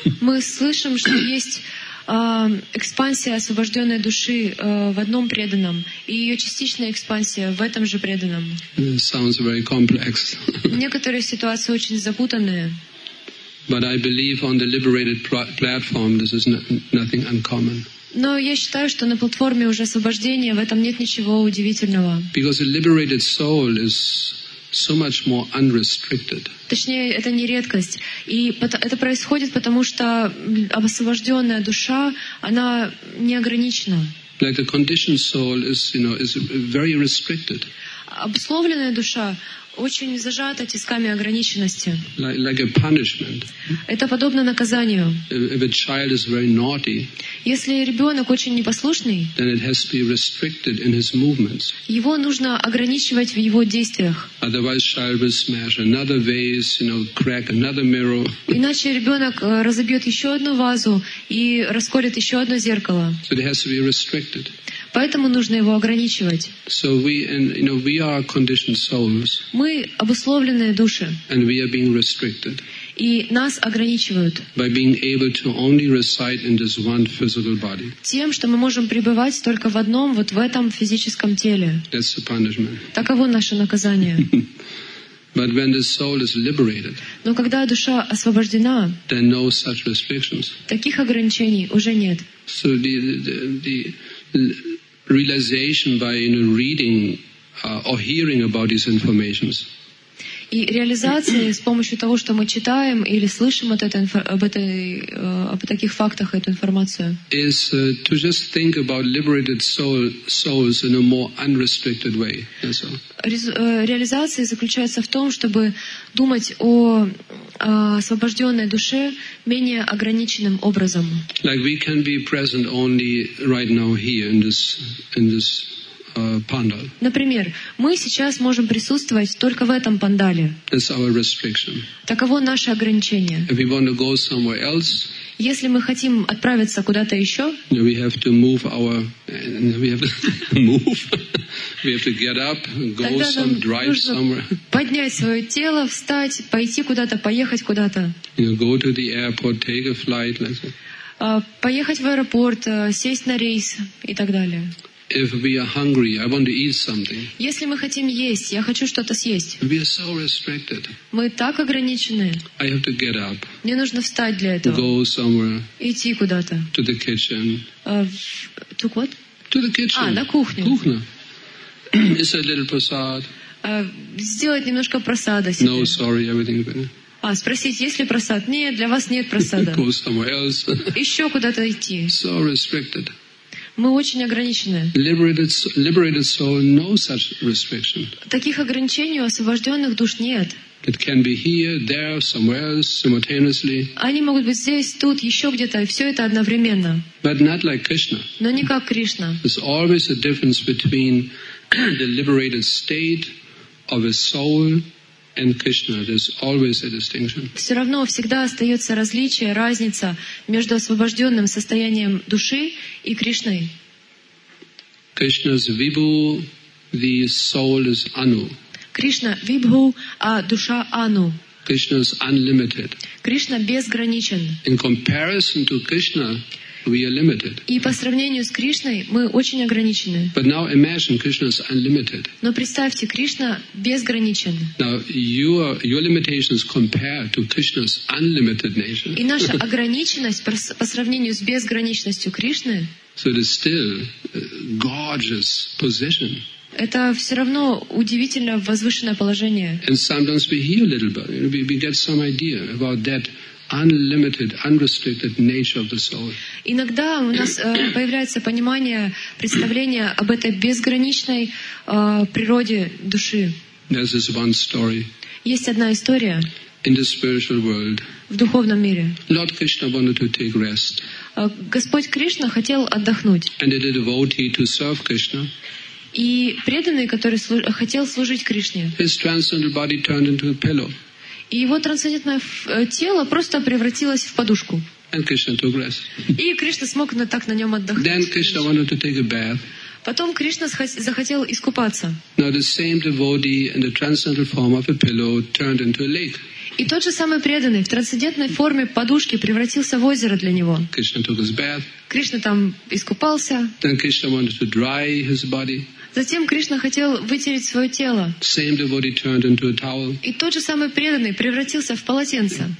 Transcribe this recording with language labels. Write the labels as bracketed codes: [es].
[ru] Мы слышим, что есть экспансия освобожденной души в одном преданном и ее частичная экспансия в этом же преданном. [en] Sounds very complex. [ru] Некоторые ситуации очень запутанные. [en] But I believe on the liberated platform, this is nothing uncommon. [ru] Но я считаю, что на платформе уже освобождения в этом нет ничего удивительного. [en] Because a liberated soul is so much more unrestricted. [ru] Точнее, это не редкость. И это происходит потому, что освобожденная душа, она не ограничена. [en] Like the conditioned soul is, you know, is very restricted. [ru] Обусловленная душа очень зажата тисками ограниченности. [en] Like a punishment. [ru] Это подобно наказанию. [en] If a child is very naughty, [ru] если ребенок очень непослушный, [en] then it has to be restricted in his movements. [ru] Его нужно ограничивать в его действиях. [en] Otherwise, child will smash another vase, you know, crack another mirror. [ru] Иначе ребенок разобьет еще одну вазу и расколет еще одно зеркало. [en] So it has to be restricted. [ru] Поэтому нужно его ограничивать. [en] So we, and, you know, we are conditioned souls. [ru] Мы обусловленные души. [en] And we are being restricted. [ru] И нас ограничивают. [en] By being able to only reside in this one physical body. [ru] Тем, что мы можем пребывать только в одном, вот в этом физическом теле. [en] That's the punishment. [ru] Таково наше наказание. [en] But when the soul is liberated, [ru] но когда душа освобождена, [en] then no such restrictions. [ru] Таких ограничений уже нет. [en] So the realization by, you know, reading or hearing about these informations. [ru] И реализация с помощью того, что мы читаем или слышим от этой, об, этой, об таких фактах эту информацию. [en] Is to just think about liberated souls in a more unrestricted way. That's all. [ru] Реализация заключается в том, чтобы думать о освобожденной душе менее ограниченным образом. [en] Like we can be present only right now here in this pandal. [ru] Например, мы сейчас можем присутствовать только в этом пандале. [en] That's our restriction. [ru] Таково наше ограничение. [en] If we want to go somewhere else, [ru] если мы хотим отправиться куда-то еще, [en] we have to move our, we have to move. We have to get up, go some, drive somewhere. [ru] Поднять свое тело, встать, пойти куда-то, поехать куда-то. [en] Go to the airport, take a flight, like that. [ru] Поехать в аэропорт, сесть на рейс и так далее. [en] If we are hungry, I want to eat something. [ru] Если мы хотим есть, я хочу что-то съесть. [en] We are so restricted. [ru] Мы так ограничены. [en] I have to get up. [ru] Мне нужно встать для этого. [en] Go somewhere. [ru] Идти куда-то. [en] To the kitchen. To what? To the kitchen. [ru] На кухню. Кухня. [en] It's a little prasad. [ru] Сделать немножко прасада себе. [en] No, sorry, everything's good. [ru] Спросить, есть ли прасад? Нет, для вас нет прасада. [en] Go somewhere else. [ru] Еще куда-то идти. [en] So restricted. [ru] Мы очень ограничены. [en] Liberated soul, no such restriction. [ru] Таких ограничений у освобожденных душ нет. [en] It can be here, there, somewhere else, simultaneously. [ru] Они могут быть здесь, тут, еще где-то, и все это одновременно. [en] But not like Krishna. [ru] Но не как Кришна. [en] There's always a difference between the liberated state of a soul and Krishna. There's always a distinction. [ru] Все равно всегда остается различие, разница между освобожденным состоянием души и Кришной. [en] Krishna's vibhu, the soul is anu. [ru] Кришна вибху, а душа ану. [en] Krishna is unlimited. [ru] Кришна безграничен. [en] In comparison to Krishna, we are limited. [ru] И по сравнению с Кришной мы очень ограничены. [en] But now imagine Krishna is unlimited. [ru] Но представьте, Кришна безграничен. [en] Now your limitations compare to Krishna's unlimited nature. [ru] И наша ограниченность по сравнению с безграничностью Кришны. [en] So it is still a gorgeous position. [ru] Это все равно удивительно возвышенное положение. [en] And sometimes we hear a little bit, we get some idea about that unlimited, unrestricted nature of the soul. [ru] Иногда у нас появляется понимание, представление об этой безграничной природе души. [en] There is one story. [ru] Есть одна история. [en] In the spiritual world. [ru] В духовном мире. [en] Lord Krishna wanted to take rest. [ru] Господь Кришна хотел отдохнуть. [en] And a devotee to serve Krishna. [ru] И преданный, который хотел служить Кришне. [en] His transcendental body turned into a pillow. [ru] И его трансцендентное тело просто превратилось в подушку. [en] And Krishna took rest. [ru] И Кришна смог так на нем отдохнуть. [en] Then Krishna wanted to take a bath. [ru] Потом Кришна захотел искупаться. [en] Now the same devotee in the transcendental form of a pillow turned into a lake. [ru] И тот же самый преданный в трансцендентной форме подушки превратился в озеро для него. [en] Krishna took his bath. [ru] Кришна там искупался. [en] Then Krishna wanted to dry his body. [ru] Затем Кришна хотел вытереть свое тело. [en] Same devotee turned into a towel. [ru] И тот же самый преданный превратился в полотенце.